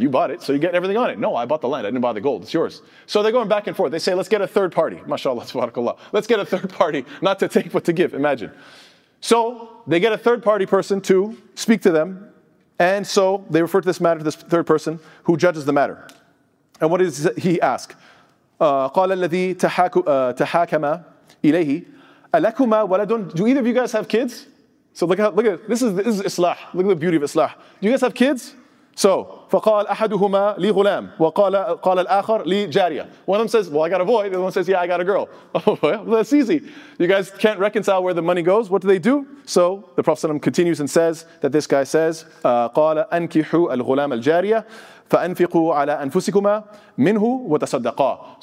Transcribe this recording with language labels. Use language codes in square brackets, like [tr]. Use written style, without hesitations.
[en] You bought it, so you get everything on it. No, I bought the land. I didn't buy the gold. It's yours. So they're going back and forth. They say, let's get a third party. Mashallah, subhanallah. Let's get a third party, not to take but to give. Imagine. So they get a third party person to speak to them. And so they refer to this matter to this third person who judges the matter. And what does he ask? [ar] قال الذي تحاكم إليه ألكما ولدون. [en] Do either of you guys have kids? So look at this is Islah. Look at the beauty of Islah. Do you guys have kids? [ar] So فقال أحدهما لي غلام وقال الآخر لي جارية. [en] One of them says, well, I got a boy. The other one says, yeah, I got a girl. Well, that's easy. You guys can't reconcile where the money goes. What do? So the Prophet ﷺ continues and says that this guy says, [ar] قال أنكحوا الغلام الجارية فأنفقوا على أنفسكما منه وتصدقا.